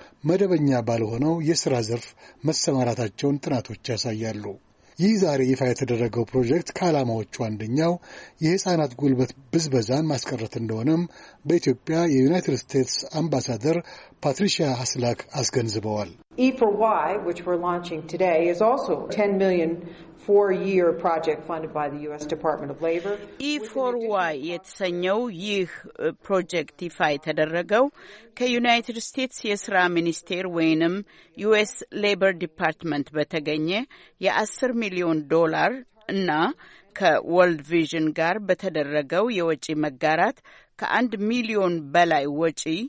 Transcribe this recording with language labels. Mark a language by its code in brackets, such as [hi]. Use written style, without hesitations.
[am] መደበኛ ባልሆነው የሥራ ዘርፍ መሰማራታቸውን ጥናቶች ያሳያሉ። ይህ ዛሬ ይፋ የተደረገው ፕሮጀክት ከዓላማዎቹ አንደኛው የሕፃናት ጉልበት ብዝበዛን ማስቀረት እንደሆነም በኢትዮጵያ የዩናይትድ ስቴትስ አምባሳደር ፓትሪሺያ ሀስላክ አስገንዝበዋል። [en] E4Y, which we're launching today, is also a $10 million four-year project funded by the U.S. Department of Labor. [am] E4Y, የተሰኘው ይህ ፕሮጀክት ይፋ የተደረገው ከዩናይትድ ስቴትስ የሥራ ሚኒስቴር ወይንም ዩኤስ ሌበር ዲፓርትመንት በተገኘ የ10 ሚሊዮን ዶላር እና ከወርልድ ቪዥን ጋር በተደረገው የወጪ መጋራት ከአንድ ሚሊዮን በላይ ወጪ